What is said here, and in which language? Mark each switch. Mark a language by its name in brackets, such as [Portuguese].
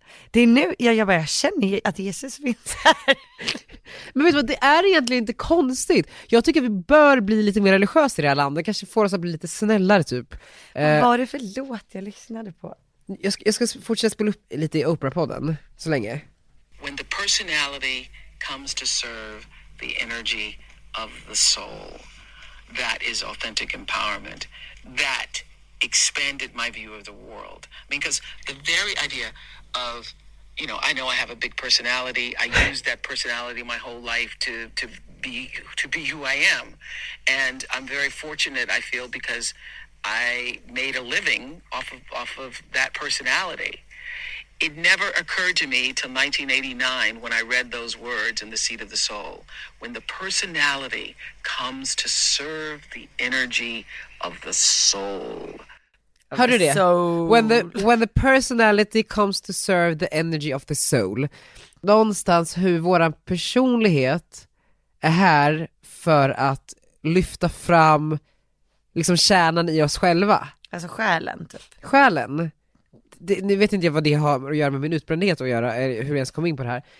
[Swedish] Det är nu jag bara, jag känner att Jesus finns här. Men vet du vad, det är egentligen inte konstigt. Jag tycker vi bör bli lite mer religiösa i det här landet. Kanske får oss att bli lite snällare typ. Vad var det för låt jag lyssnade på? Jag ska fortsätta spela upp lite i Oprah-podden så länge. [English] When the personality comes to serve the energy of the soul, that is authentic empowerment. That expanded my view of the world. Because the very idea of, you know, I know I have a big personality. I use that personality my whole life to be who I am. And I'm very fortunate, I feel, because I made a living off of that personality. It never occurred to me till 1989 when I read those words in The Seat of the Soul. When the personality comes to serve the energy of the soul. [Swedish] Hör du det? [English] When the personality comes to serve the energy of the soul. [Swedish] Någonstans hur våran personlighet är här för att lyfta fram liksom kärnan i oss själva. Alltså själen typ. Själen. Nu vet inte jag vad det har att göra med min utbrändhet att göra, eller hur jag ens kom in på det här.